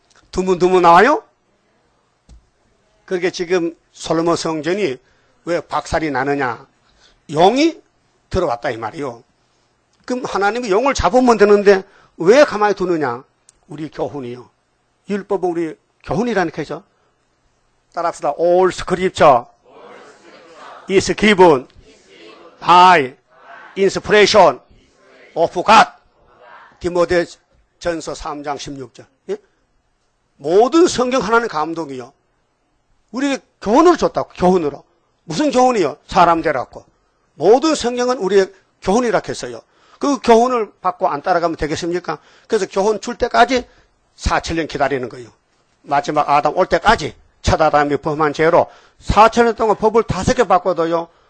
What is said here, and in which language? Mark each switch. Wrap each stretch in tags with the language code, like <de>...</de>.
<ko>두문두문 나와요? 그게 지금 솔로몬 성전이 왜 박살이 나느냐? 용이 들어왔다 이 말이요. 그럼 하나님이 용을 잡으면 되는데 왜 가만히 두느냐? 우리 교훈이요. 율법은 우리 교훈이라는 거죠. 따라합시다.</ko> <en>All scripture is given by inspiration of God.</en> <ko>디모데 전서 3장 16절. 예? 모든 성경 하나님 감동이요. 우리에게 교훈을 줬다고, 교훈으로. 무슨 교훈이요? 사람 되라고. 모든 성경은 우리의 교훈이라고 했어요. 그 교훈을 받고 안 따라가면 되겠습니까? 그래서 교훈 줄 때까지 4,000년 기다리는 거예요. 마지막 아담 올 때까지 첫 아담이 범한 죄로 4,000년 동안 법을 다섯 개 바꿔둬요.</ko>